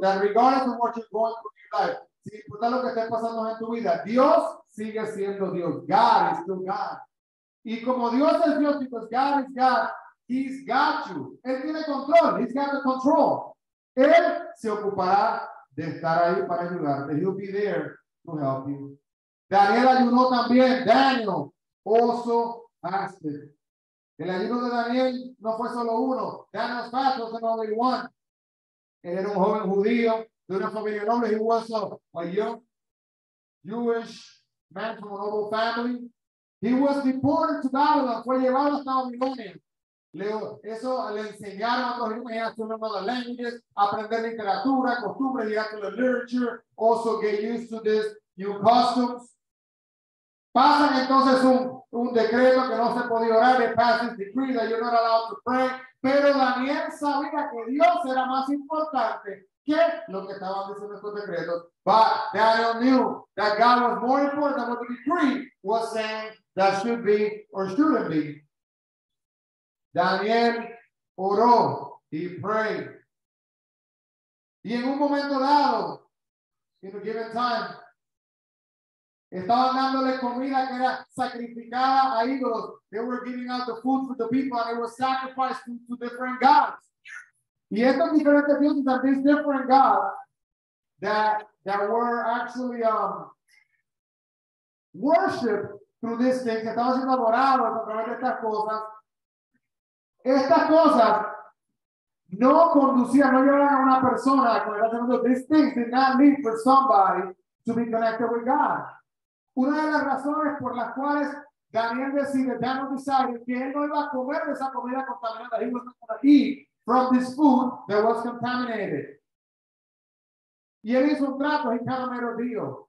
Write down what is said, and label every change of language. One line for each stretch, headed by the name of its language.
English: That regardless of what you're going through in your life.
Spanish: Sin importar lo que esté pasando en tu vida. Dios sigue siendo Dios.
English: God is still God.
Spanish: Y como Dios es Dios.
English: Because God is God. He's got you.
Spanish: Él tiene control.
English: He's got the control.
Spanish: Él se ocupará de estar ahí para ayudarte.
English: He'll be there to help you.
Spanish: Daniel ayunó también.
English: Daniel also fasted.
Spanish: El ayuno de Daniel no fue solo uno.
English: Daniel's fast was another one.
Spanish: Él era un joven judío de una familia noble.
English: He was a young Jewish man from a noble family. He was deported to Babylon.
Spanish: Fue llevado hasta Babilonia. Eso le enseñaron a los niños a aprender otras lenguas, aprender literatura, costumbres, y hasta la literatura.
English: Also get used to this new customs.
Spanish: Pasan entonces un decreto que no se podía orar.
English: They pass this decree that you're not allowed to pray.
Spanish: Pero Daniel sabía que Dios era más importante que lo que estaban diciendo estos decretos.
English: But Daniel knew that God was more important than what the decree was saying that should be or shouldn't be.
Spanish: Daniel oró,
English: he prayed.
Spanish: Y en un momento dado,
English: in a given time,
Spanish: estaban dándole comida que era sacrificada a ídolos.
English: They were giving out the food for the people and it was sacrificed to different gods.
Spanish: Y estos diferentes dioses,
English: and these different gods that were actually worshipped through these things,
Spanish: estaban siendo adorados a través de estas cosas. Estas cosas no conducían, no llevaban a una persona con el tratamiento.
English: These things did not lead for somebody to be connected with God.
Spanish: Una de las razones por las cuales Daniel decide,
English: Daniel decided
Spanish: que él no iba a comer de esa comida contaminada.
English: He was not going to eat from this food that was contaminated.
Spanish: Y él hizo un trato, y cada mero día.